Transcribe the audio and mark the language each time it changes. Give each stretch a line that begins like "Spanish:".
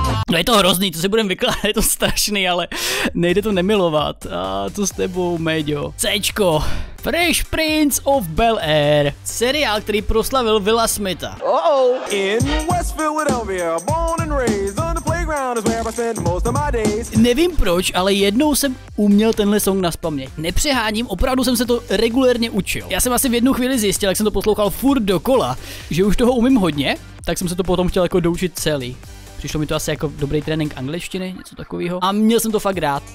Czech: No je to hrozný, to si budem vykládat, je to strašný, ale nejde to nemilovat. A co s tebou, Méďo? Cčko. Fresh Prince of Bel-Air. Seriál, který proslavil Willa Smitha.
English: In West Philadelphia, born and raised on the playground is where I spent most of my days.
Czech: Nevím proč, ale jednou jsem uměl tenhle song nazpaměť. Nepřeháním, opravdu jsem se to regulérně učil. Já jsem asi v jednu chvíli zjistil, jak jsem to poslouchal furt dokola, že už toho umím hodně, tak jsem se to potom chtěl jako doučit celý. Přišlo mi to asi jako dobrý trénink angličtiny, něco takového. A měl jsem to fakt rád.